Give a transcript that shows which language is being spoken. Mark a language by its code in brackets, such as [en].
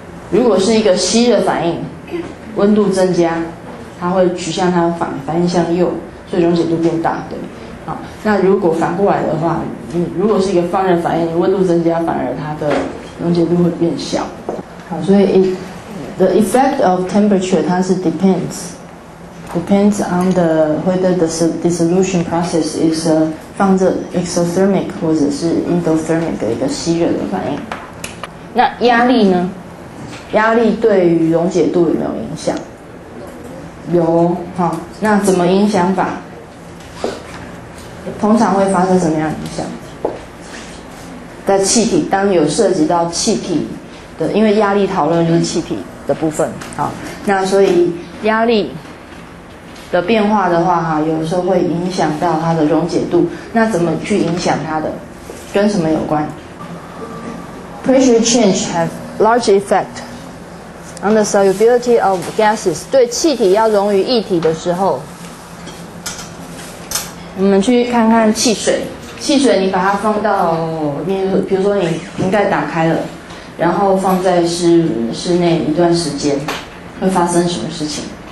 [zh] 如果是一个吸热反应，温度增加它会取向它反应向右，所以溶解度变大，对。好，那如果反过来的话，如果是一个放热反应，你温度增加反而它的溶解度会变小。好，所以 [en] the effect of temperature [zh] 它是 [en] depends on the whether the dissolution process is a 放热 exothermic [zh] 或者是 [en] endothermic [zh] 的一个吸热的反应。那压力呢？压力对于溶解度有没有影响？有。好，那怎么影响法？通常会发生什么样的影响？在气体，当有涉及到气体的，因为压力讨论就是气体的部分。好，那所以压力的变化的话，有时候会影响到它的溶解度。那怎么去影响它的？跟什么有关？ [en] Pressure change have large effect on the solubility of gases. [zh] 对气体要溶于液体的时候，我们去看看汽水。汽水你把它放到，比如说你瓶盖打开了，然后放在室内一段时间，会发生什么事情？